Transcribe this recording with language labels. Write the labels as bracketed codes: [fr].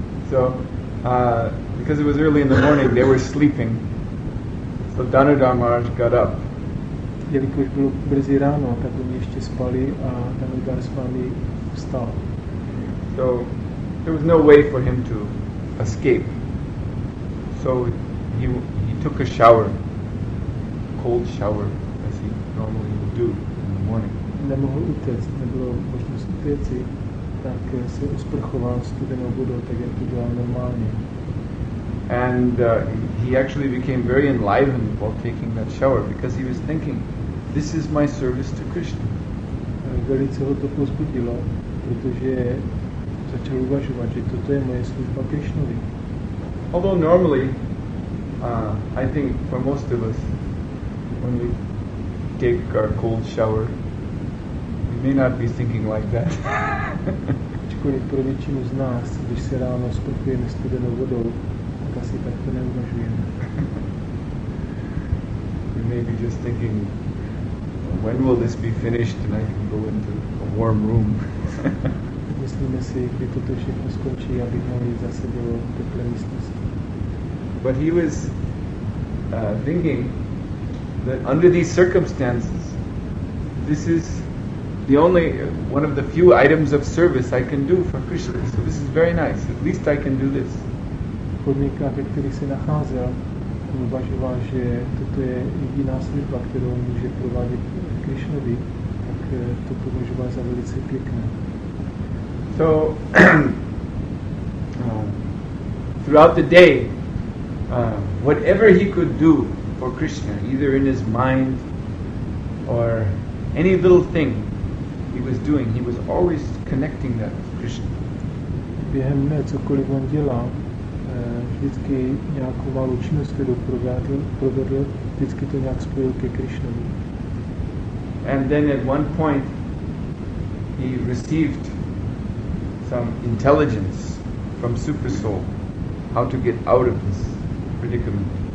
[en] So, because it was early in the morning, they were sleeping. So Danadhar Maharaj got up. [cs] Jelikož bylo brzy ráno, tak oni ještě spali a Danadhar Swami vstal. [en] So, there was no way for him to escape. So, he took a shower, cold shower, as he normally would do in the morning. [cs] Nemohl utéct, nebylo možnost utéct. Tak se usprchoval studenou vodou, tak jak to dělal normálně. [en] And he actually became very enlivened while taking that shower, because he was thinking, this is my service to Krishna. [cs] Velice ho to pozbudilo, protože začal uvažovat, že toto je moje služba Krishnovi. [en] Although normally, I think for most of us, when we take our cold shower, may not be thinking like that. [cs] Ačkoliv pro většinu z nás, když se ráno sprchujeme studenou vodou, tak asi tak to neuvažujeme. [en] We may be just thinking, when will this be finished and I can go into a warm room. [cs] Myslíme si, kdy toto všechno skončí, aby mohl jít zase do teplé místnosti. [en] But he was thinking that under these circumstances, this is the only one of the few items of service I can do for Krishna. So this is very nice. At least I can do this. [cs] Podmínka, ve kterých se nacházel, uvažoval, že toto je jediná služba, kterou může provádět Krišnovi, tak to považoval za velice pěkné. [en] So, throughout the day, whatever he could do for Krishna, either in his mind or any little thing he was doing, he was always connecting that with Krishna. [cs] Během dne, cokoliv on dělal, vždycky nějakou malou činnost, kterou provedl, vždycky to nějak spojil ke Krišnovi. [en] And then at one point he received some intelligence from Supersoul how to get out of this predicament.